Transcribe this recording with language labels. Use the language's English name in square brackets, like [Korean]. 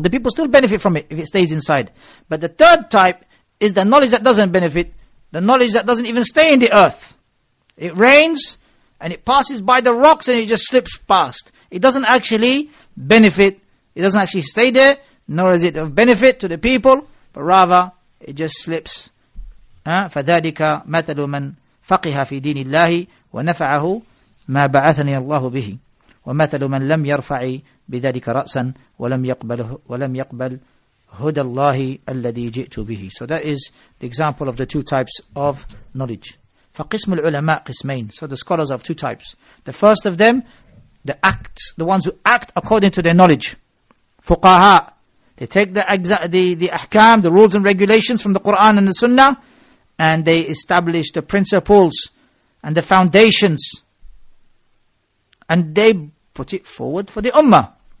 [English] The people still benefit from it if it stays inside. But the third type is the knowledge that doesn't benefit, the knowledge that doesn't even stay in the earth. It rains and it passes by the rocks and it just slips past. It doesn't actually benefit. It doesn't actually stay there, nor is it of benefit to the people, but rather it just slips. [Arabic] فَذَلِكَ مَثَلُ مَنْ فَقِهَ فِي دِينِ اللَّهِ ونفعه ما بعثني الله به ومثل من لم يرفع بذلك رأسا ولم يقبل هدى الله الذي جئت به. [English] So that is the example of the two types of knowledge. [Arabic] فقسم العلماء قسمين. [English] So the scholars of two types. The first of them, the ones who act according to their knowledge. [Arabic] فقهاء. [English] They take the ahkam, the rules and regulations from the Quran and the Sunnah, and they establish the principles and the foundations, and they put it forward for the ummah.